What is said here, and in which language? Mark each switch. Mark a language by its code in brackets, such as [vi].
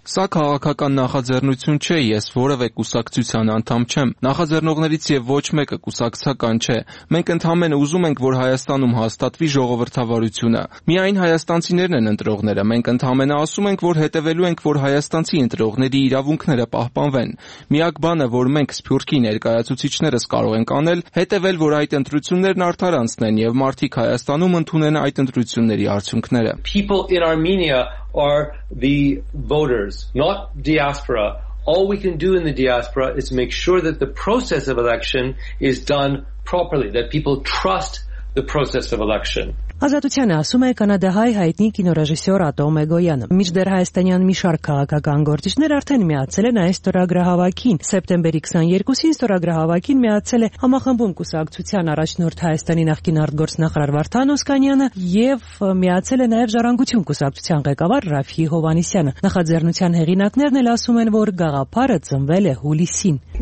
[hy] Սա քաղաքական նախաձեռնություն չէ, ես որևէ կուսակցության անդամ չեմ։ Նախաձեռնողներից եւ ոչ մեկը կուսակցական չէ։ Մենք ընդհանրեն ուզում ենք, որ Հայաստանում հաստատվի ժողովրդավարությունը։ Միայն հայաստանցիներն են ընտրողները։ Մենք ընդհանրեն ասում ենք, որ հետևելու ենք, որ հայաստանցի ընտրողների իրավունքները պահպանվեն։ Միակ բանը, որ մենք Սփյուռքի ներկայացուցիչներս կարող ենք անել, հետևել, որ այդ ընտրություններն արդար անցնեն եւ մարդիկ Հայաստանում ընդունեն այդ ընտրությունների արդյունքները։ [en] People in Armenia are the voters, not diaspora. All we can do in the diaspora is make sure that the process of election is done properly, that people trust the process of election. [hy] Ազատությանը ասում է կանադահայ հայտնի կինոռեժիսոր Ատոմ Էգոյանը։ Միջդեռ հայաստանյան մի շարք քաղաքական գործիչներ արդեն միացել են այս ստորագրահավաքին։ Սեպտեմբերի 22-ին ստորագրահավաքին միացել է համախմբում կուսակցության առաջնորդ Հայաստանի նախկին արտգործնախարար Վարդան Օսկանյանը և միացել է նաև ժառանգություն կուսակցության ղեկավար Ռաֆի Հովանիսյանը։ Նախաձեռնության հեղինակներն էլ ասում են, որ գաղափարը ծնվել է հուլիսին։